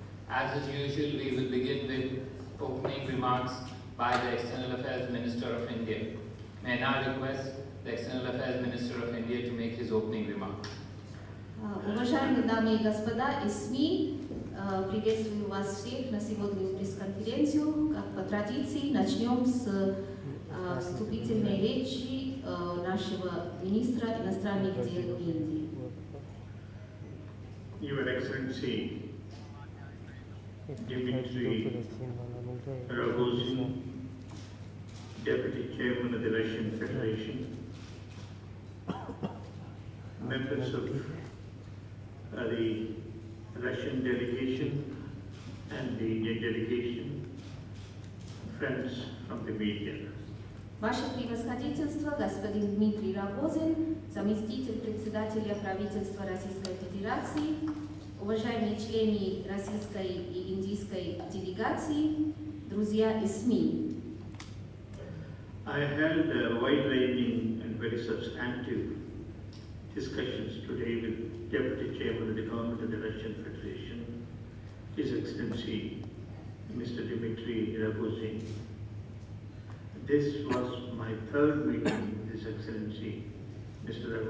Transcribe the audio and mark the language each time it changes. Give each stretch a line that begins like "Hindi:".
English: As is usual, we will begin with opening remarks by the External Affairs Minister of India. May I now request the External Affairs Minister of India to make his opening remark.
Russian: Уважаемые дамы и господа из СМИ, приветствую вас всех на сегодняшнюю пресс-конференцию. Как по традиции, начнем с вступительной речи нашего министра иностранных дел Индии.
English: Your Excellency Dmitry Rogozin, Deputy Chairman of the Russian Federation, members of the Russian delegation and the Indian delegation, friends from the media.
Russian: Ваше превосходительство, господин Дмитрий Рогозин, заместитель председателя правительства Российской Федерации, уважаемые члены российской и индийской делегации, друзья и СМИ.
English: I held wide-ranging and very substantive discussions today with Deputy Chairman of the Government of the Russian Federation, His Excellency, Mr. Dmitry Rogozin. This was my third meeting with His Excellency, Mr.